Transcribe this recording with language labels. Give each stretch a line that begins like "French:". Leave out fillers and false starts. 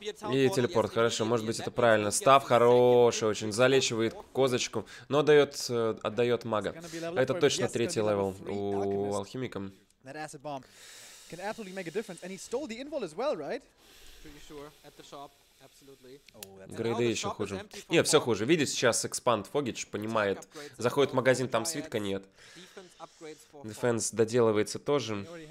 Russian: И телепорт, хорошо, может быть это правильно. Став хороший очень, залечивает козочку, но отдает мага. Это точно третий левел у алхимика.
English: That acid bomb can absolutely make a difference, and he stole the invul as well, right? Pretty sure at the shop, absolutely.
Russian: Грейды еще хуже. Не, все хуже. Видит сейчас экспанд Фогич, понимает. Заходит в магазин, там свитка нет. Defense доделывается тоже.